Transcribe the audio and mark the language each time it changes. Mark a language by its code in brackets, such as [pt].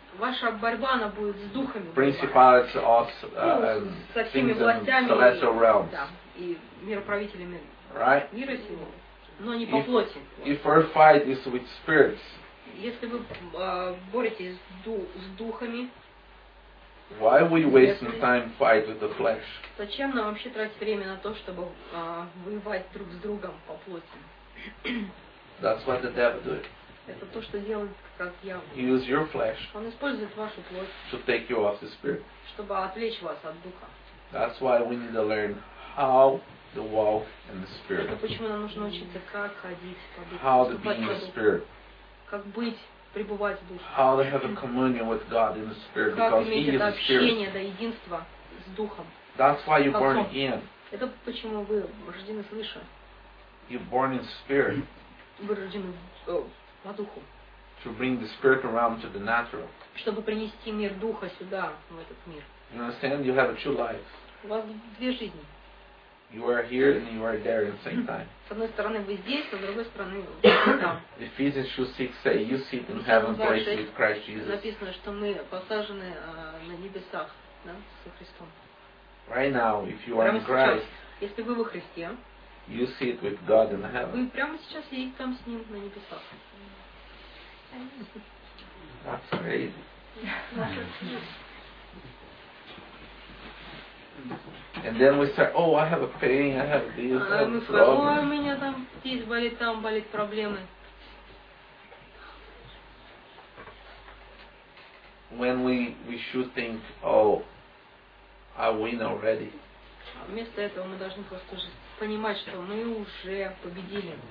[ru] Ваша борьба, она будет с духами. [en] Principalities of [ru] со всеми властями [en] celestial realms. [ru] Да, и мироправителями [en] right? [ru] мира сего, но не по плоти. [en] If our fight is with spirits, [ru] если вы боретесь с духами, [en] why are we wasting time fight with the flesh? [ru] Зачем нам вообще тратить время на то, чтобы воевать друг с другом по плоти? [en] That's what the devil does. [ru] Это то, что делает как дьявол. [en] He uses your flesh. [ru] Он использует вашу плоть. [en] To take you off the spirit. [ru] Чтобы отвлечь вас от духа. [en] That's why we need to learn how to walk in the spirit. [ru] Это почему нам нужно учиться как ходить по духу. [en] How to be in the spirit. [ru] Как быть, пребывать в духе. [en] How to have a communion with God in the spirit. [ru] Как иметь это общение, да, единство с духом. [en] That's why you're born again. [ru] Это почему вы рождены свыше. [en] You're born in spirit. [ru] Вы рождены в духе. По духу. [en] to bring the spiritual realm to the natural. [ru] Чтобы принести мир духа сюда, в этот мир. [en] You understand? You have a true life. [ru] У вас две жизни. [en] You are here and you are there at the same time. [ru] С одной стороны вы здесь, а с другой стороны вы там. [en] Ephesians 2:6 say you sit in heaven place with Christ Jesus. [ru] Написано, что мы посажены на небесах, да, со Христом. [en] Right now, if you are in Christ, [ru] если вы во Христе, [en] you sit with God in heaven. [ru] Вы прямо сейчас сидите там с ним на небесах. [en] That's crazy. And then we start, oh, I have a pain, I have this, I have this problem. [ru] Oh, у меня там здесь болит, там болит проблемы. [en] When we should think, oh, I win already. [ru] Вместо этого мы должны просто уже понимать, что мы уже победили.